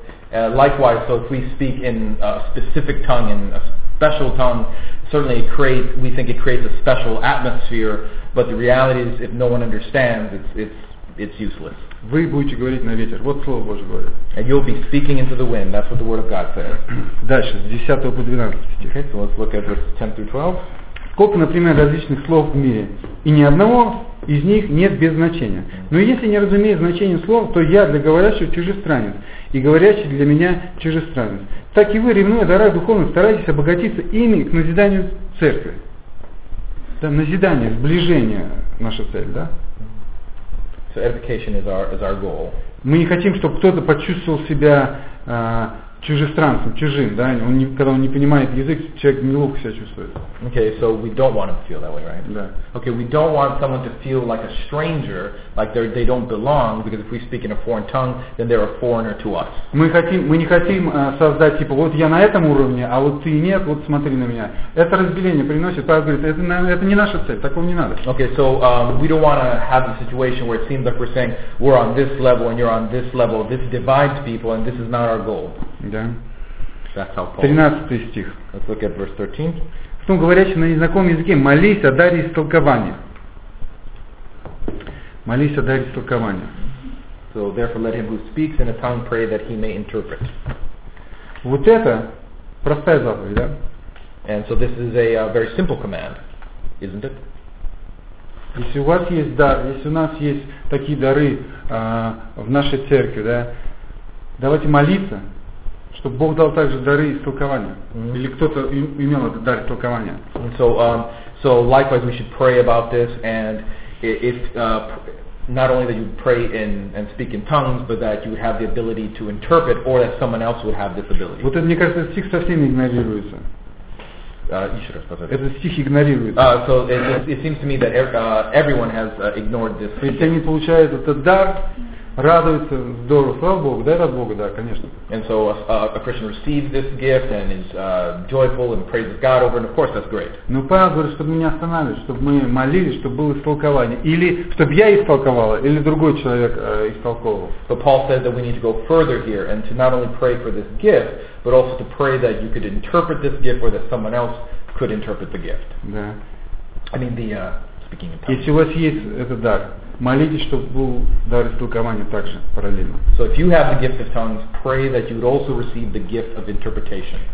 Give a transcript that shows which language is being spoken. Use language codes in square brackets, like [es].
[en] Likewise, so if we speak in a specific tongue, in a special tongue, certainly we think it creates a special atmosphere. But the reality is, if no one understands, it's useless. [ru] Вы будете говорить на ветер. Вот Слово Божие говорит. [en] And you'll be speaking into the wind. That's what the Word of God says. [ru] Дальше, с 10 по 12 стих. [en] Okay, so let's look at verses 10 through 12. [ru] Сколько, например, различных слов в мире, и ни одного из них нет без значения. Но если не разумею значение слов, то я для говорящего чужестранец, и говорящий для меня чужестранец. Так и вы, ревнуя дарах духовных, старайтесь обогатиться ими к назиданию церкви. Да, назидание, сближение — наша цель, да? [en] So edification is our goal. [ru] Мы не хотим, чтобы кто-то почувствовал себя чужестранцем, чужим, да? Он не, когда он не понимает язык, человек неловко себя чувствует. [en] Okay, so we don't want him to feel that way, right? [ru] Да. [en] Okay, we don't want someone to feel like a stranger, like they don't belong, because if we speak in a foreign tongue, then they're a foreigner to us. [ru] Мы не хотим создать типа вот я на этом уровне, а вот ты нет, вот смотри на меня. Это разделение приносит. Павел говорит, это не наша цель, такого не надо. [en] Okay, so we don't want to have a situation where it seems like we're saying we're on this level and you're on this level. This divides people, and this is not our goal. [ru] Да. [en] That's how Paul. [ru] 13 стих. [en] Let's look at verse 13. [ru] Ну, говорящий на незнакомом языке, молись о даре истолкования. Молись о даре истолкования. [en] So therefore let him who speaks in a tongue pray that he may interpret. [ru] Вот это простая заповедь, да? [en] And so this is a very simple command, isn't it? [ru] Если у вас есть дар, если у нас есть такие дары в нашей церкви, да, давайте молиться, чтобы Бог дал также дары истолкования. Mm-hmm. Или кто-то имел этот дар истолкования. [en] And so, so likewise we should pray about this, and if not only that you pray in and speak in tongues, but that you would have the ability to interpret, or that someone else would have this ability. [ru] Вот это, мне кажется, этот стих совсем игнорируется. Еще раз, пожалуйста. Этот стих игнорируется. [en] So it seems to me that everyone has ignored this. [ru] То есть они получают этот дар, радуется, здорово, слава Богу, да, рад Богу, да, конечно. [en] And so a Christian receives this gift and is joyful and praises God over, and of course that's great. [ru] Но Павел говорит, чтобы мы не останавливались, чтобы мы молились, чтобы было истолкование, или чтобы я истолковала, или другой человек истолковывал. [en] So Paul says that we need to go further here and to not only pray for this gift, but also to pray that you could interpret this gift or that someone else could interpret the gift. [ru] Да. [en] I mean the speaking in tongues. [ru] Если у вас есть этот дар, молитесь, чтобы был дар истолкования также параллельно. [en] So if you have the gift of tongues, pray that you would also receive the gift of interpretation.